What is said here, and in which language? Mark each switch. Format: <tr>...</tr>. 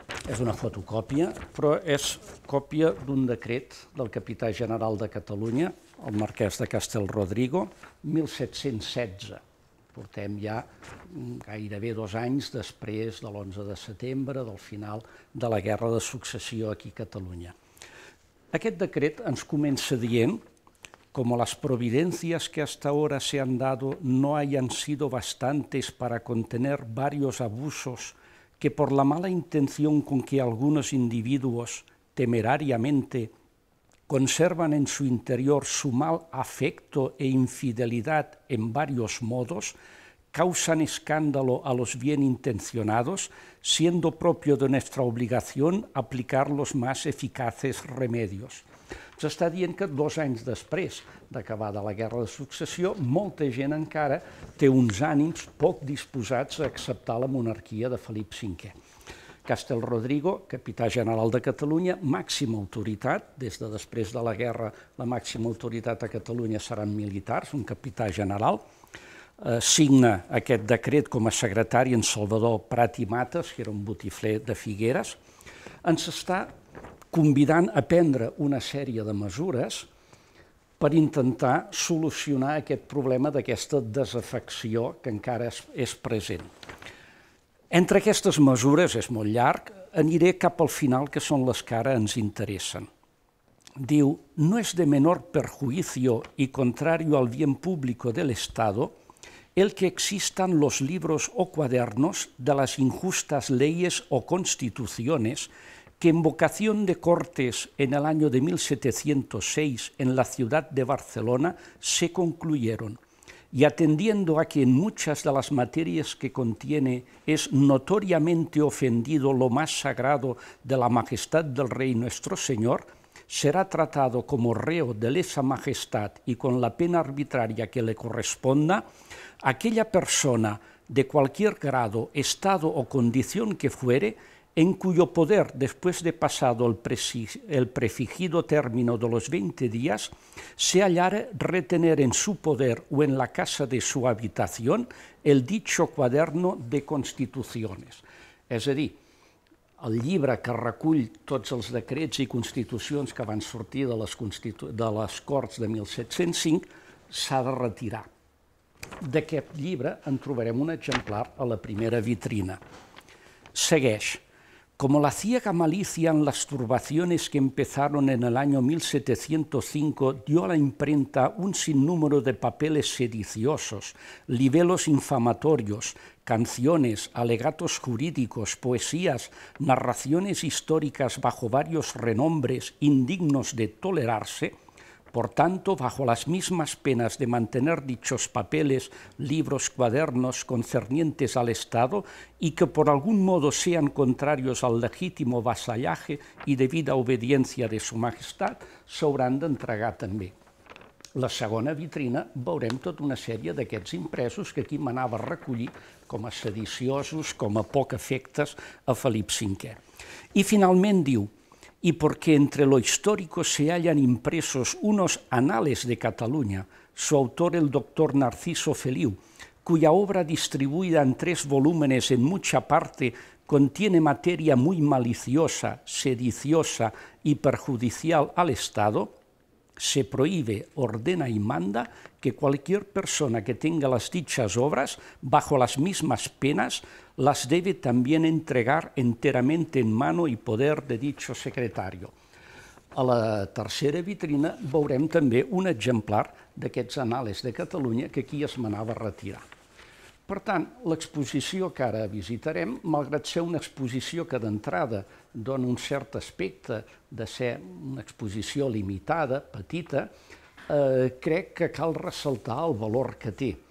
<ca>És una fotocòpia, però és còpia d'un decret del capità general de Catalunya, el marquès de Castelrodrigo, 1716. Portem ja gairebé 2 anys després de l'11 de setembre, del final de la guerra de successió aquí a Catalunya. Aquest decret ens comença dient:</ca> <es>como las providencias que hasta ahora se han dado no hayan sido bastantes para contener varios abusos que por la mala intención con que algunos individuos, temerariamente, conservan en su interior su mal afecto e infidelidad en varios modos, causan escándalo a los bien intencionados, siendo propio de nuestra obligación aplicar los más eficaces remedios.</es> <ca>S'està dient que 2 anys després d'acabada la guerra de successió, molta gent encara té uns ànims poc disposats a acceptar la monarquia de Felip V. Castelrodrigo, capità general de Catalunya, màxima autoritat, des de després de la guerra la màxima autoritat a Catalunya seran militars, un capità general, signa aquest decret com a secretari en Salvador Prat i Mates, que era un botifler de Figueres, ens està convidant a prendre una sèrie de mesures per intentar solucionar aquest problema d'aquesta desafecció que encara és present. Entre aquestes mesures, és molt llarg, aniré cap al final, que són les que ara ens interessen.</ca> <es>Diu: no es de menor perjuicio y contrario al bien público del Estado el que existan los libros o cuadernos de las injustas leyes o constituciones que en vocación de Cortes en el año de 1706 en la ciudad de Barcelona se concluyeron, y atendiendo a que en muchas de las materias que contiene es notoriamente ofendido lo más sagrado de la majestad del Rey nuestro Señor, será tratado como reo de lesa majestad y con la pena arbitraria que le corresponda, aquella persona de cualquier grado, estado o condición que fuere, en cuyo poder, después de pasado el prefigido término de los 20 días, se hallare retener en su poder o en la casa de su habitación el dicho cuaderno de constituciones.</es> <ca>És a dir, el llibre que recull tots els decrets i constitucions que van sortir de les Corts de 1705 s'ha de retirar. D'aquest llibre en trobarem un exemplar a la primera vitrina. Segueix.</ca> <es>Como la ciega malicia en las turbaciones que empezaron en el año 1705 dio a la imprenta un sinnúmero de papeles sediciosos, libelos infamatorios, canciones, alegatos jurídicos, poesías, narraciones históricas bajo varios renombres indignos de tolerarse, por tanto, bajo las mismas penas de mantener dichos papeles, libros, cuadernos concernientes al Estado y que por algún modo sean contrarios al legítimo vasallaje y debida obediencia de su majestad,</es> <ca>s'hauran d'entregar també. La segona vitrina veurem tota una sèrie d'aquests impresos que aquí manava recollir com a sediciosos, com a poc afectes a Felip V. I finalment diu:</ca> <es>y porque entre lo histórico se hallan impresos unos anales de Cataluña, su autor el doctor Narciso Feliu, cuya obra distribuida en 3 volúmenes en mucha parte contiene materia muy maliciosa, sediciosa y perjudicial al Estado, se prohíbe, ordena y manda que cualquier persona que tenga las dichas obras, bajo las mismas penas, las debe también entregar enteramente en mano y poder de dicho secretario.</es> <ca>A la tercera vitrina veurem també un exemplar d'aquests anales de Catalunya que aquí es manava retirar. Per tant, l'exposició que ara visitarem, malgrat ser una exposició que d'entrada dona un cert aspecte de ser una exposició limitada, petita, crec que cal ressaltar el valor que té.</ca>